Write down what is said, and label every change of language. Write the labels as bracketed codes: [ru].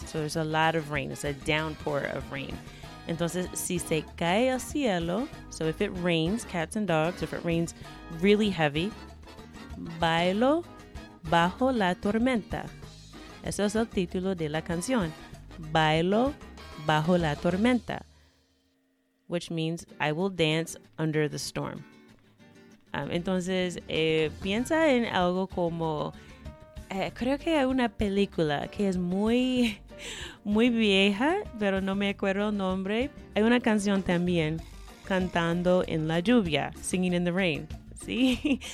[en] So there's a lot of rain. It's a downpour of rain. [es] Entonces, si se cae el cielo, [en] so if it rains, cats and dogs, if it rains really heavy, [es] bailo bajo la tormenta. Eso es el título de la canción. Bailo bajo la tormenta. [en] Which means I will dance under the storm. [es] Entonces, piensa en algo como... creo que hay una película que es muy, muy vieja, pero no me acuerdo el nombre. Hay una canción también, cantando en la lluvia, [en] singing in the rain. [es] ¿Sí?